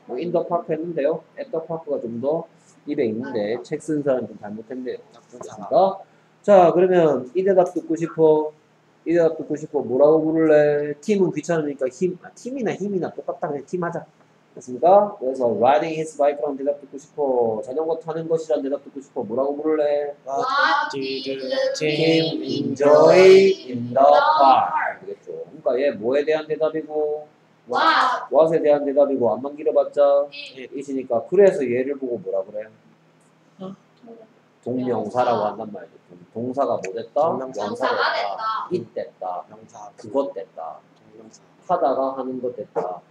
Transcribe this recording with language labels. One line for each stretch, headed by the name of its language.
Korean: 뭐
English: in the park
Korean: 했는데요.
English: at the park
Korean: 가 좀 더 입에 있는데 책 쓴 사람 좀 잘못했네요. 그렇습니다. 자 그러면 이 대답 듣고 싶어. 이 대답 듣고 싶어. 뭐라고 부를래? 팀은 귀찮으니까 힘. 아, 팀이나 힘이나 똑같다. 그냥 팀 하자. 됐습니까? 그래서
English: riding his bike
Korean: 라는 대답 듣고 싶어. 자전거 타는 것이란 대답 듣고 싶어. 뭐라고 부를래?
English: What did the team enjoy in the park?
Korean: 알겠죠? 그러니까 얘 뭐에 대한 대답이고
English: What?
Korean: What에 대한 대답이고 안만 길어봤자 이시니까 그래서 얘를 보고 뭐라 그래? 동명사라고 한단 말이죠. 동사가 뭐 됐다? 명사가 됐다. 이 됐다. 명사. 그것 됐다. 하다가 하는 것 됐다.